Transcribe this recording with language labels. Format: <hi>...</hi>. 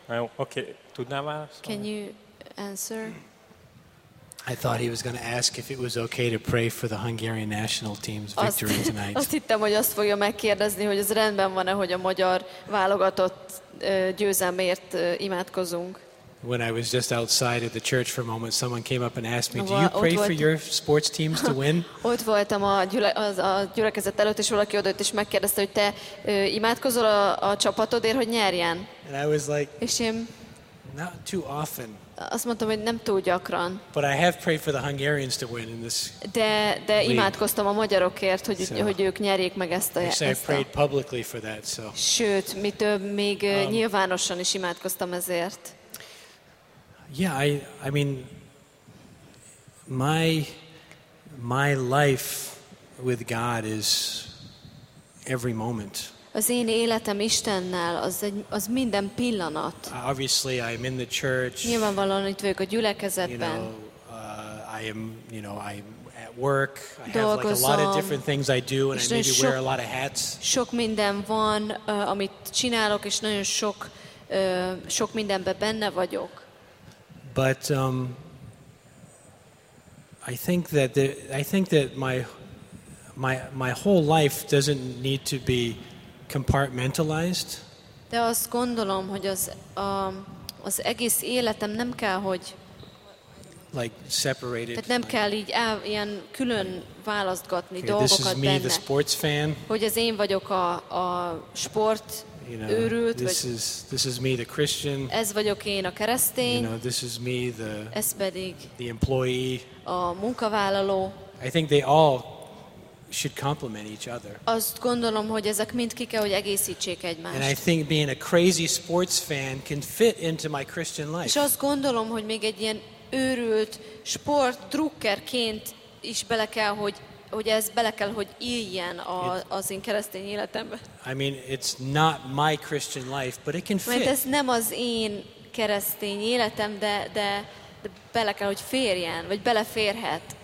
<hu>Jó, okay. Tudnám már?</hu> <en>Can you answer? I thought he was going to ask if it was okay to pray for the Hungarian national team's victory tonight.</en> <hu>Azt hittem, hogy azt fogja megkérdezni, hogy ez rendben van-e, hogy a magyar válogatott győzelmért imádkozunk.</hu> <en>When I was just outside at the church for a moment, someone came up and asked me, do you pray for your sports teams to win?</en> <hu>Ott voltam a gyülekezet előtt, és valaki odajött, és megkérdezte, hogy te imádkozol a csapatodért, hogy nyerjen.</hu> <en>And I was like,</en> <hu>és én</hu> <en>not too often.</en> <hu>Azt mondtam, hogy nem túl gyakran.</hu> <en>But I have prayed for the Hungarians to win in this</en> <hu>De imádkoztam a magyarokért, hogy so, hogy ők nyerjék meg ezt a</hu> <en>játékot. I prayed publicly for that, so.</en> <hu>Sőt, mi több, még nyilvánosan is imádkoztam ezért.</hu> <en>Yeah, I mean, my life with God is every moment.</en> <hu>Az én életem Istennel, az minden pillanat.</hu> <en>Obviously, I'm in the church.</en> <hu>Nyilvánvalóan itt vagyok a gyülekezetben.</hu> <en>You know, I am, you know, I'm at work. I have like a lot of different things I do, and I maybe wear a lot of hats.</en> <hu>Sok minden van, amit csinálok, és nagyon sok mindenben benne vagyok.</hu> <en>But I think that my whole life doesn't need to be compartmentalized.</en> <hu>De azt gondolom, hogy az egész életem nem kell, hogy</hu> <en>like separated.</en> <hu>Tehát nem kell így ilyen külön választgatni</hu> <en>okay,</en> <hu>dolgokat</hu> <en>this is me,</en> <hu>benne.</hu> <en>The sports fan.</en> <hu>Hogy az én vagyok a sport.</hu> <en>You know, this is me, the Christian.</en> <hu>Ez vagyok én, a keresztény.</hu> <en>You know, this is me, the.</en> <hu>Ez pedig</hu> <en>the employee.</en> <hu>A munkavállaló.</hu> <en>I think they all should complement each other.</en> <hu>Azt gondolom, hogy ezek mind ki kell, hogy egészítsék egymást.</hu> <en>And I think being a crazy sports fan can fit into my Christian life.</en> <hu>És azt gondolom, hogy még egy ilyen őrült sportdruckerként is bele kell, hogy ez bele kell, hogy éljen az én keresztény életembe.</hu> <en>I mean, it's not my Christian life, but it can fit.</en> <hu>Mert ez nem az én keresztény életem, de bele kell, hogy férjen, vagy beleférhet.</hu>